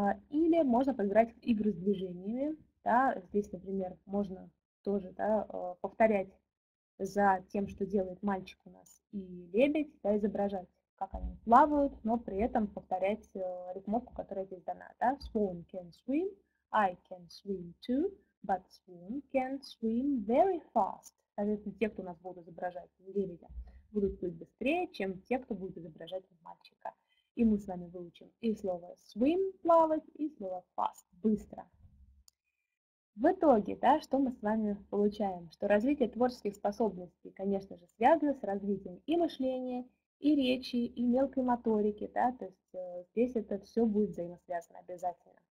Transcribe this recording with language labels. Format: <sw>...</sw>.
<ru>Или можно поиграть в игры с движениями. Да, здесь, например, можно тоже, да, повторять за тем, что делает мальчик у нас, и лебедь, да, изображать, как они плавают, но при этом повторять рифмовку, которая здесь дана. Да?</ru> <en>Swan can swim, I can swim too, but swan can swim very fast.</en> <ru>Соответственно, те, кто у нас будут изображать лебедя, будут плыть быстрее, чем те, кто будет изображать мальчика. И мы с вами выучим и слово swim – плавать, и слово fast – быстро. В итоге, да, что мы с вами получаем? Что развитие творческих способностей, конечно же, связано с развитием и мышления, и речи, и мелкой моторики, да, то есть здесь это все будет взаимосвязано обязательно.</ru>